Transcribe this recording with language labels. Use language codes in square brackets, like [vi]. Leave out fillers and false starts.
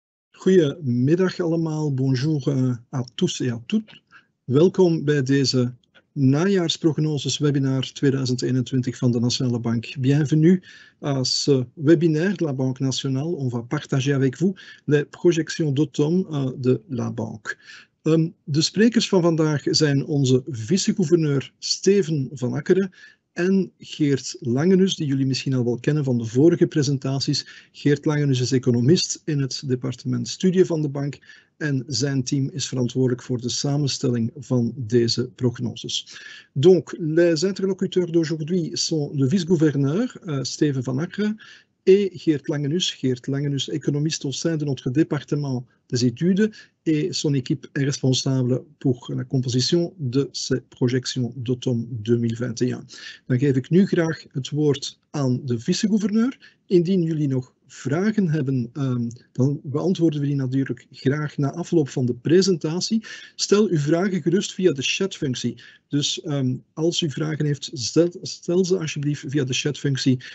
[nl] Goedemiddag allemaal, [fr] bonjour à tous et à toutes. [nl] Welkom bij deze najaarsprognoses webinar 2021 van de Nationale Bank. [fr] Bienvenue à ce webinaire de la Banque Nationale. On va partager avec vous les projections d'automne de la Banque. [nl] De sprekers van vandaag zijn onze vice-gouverneur Steven van Akkeren en Geert Langenus, die jullie misschien al wel kennen van de vorige presentaties. Geert Langenus is economist in het departement Studiën van de Bank en zijn team is verantwoordelijk voor de samenstelling van deze prognoses. [fr] Donc, les interlocuteurs d'aujourd'hui sont le vice-gouverneur, Steven van Akkeren, et Geert Langenus. Geert Langenus, economist au sein de notre département des études, et son équipe est responsable pour la composition de ses projections d'automne 2021. [nl] Dan geef ik nu graag het woord aan de vice-gouverneur. Indien jullie nog vragen hebben, dan beantwoorden we die natuurlijk graag na afloop van de presentatie. Stel uw vragen gerust via de chatfunctie. Dus als u vragen heeft, stel ze alsjeblieft via de chatfunctie.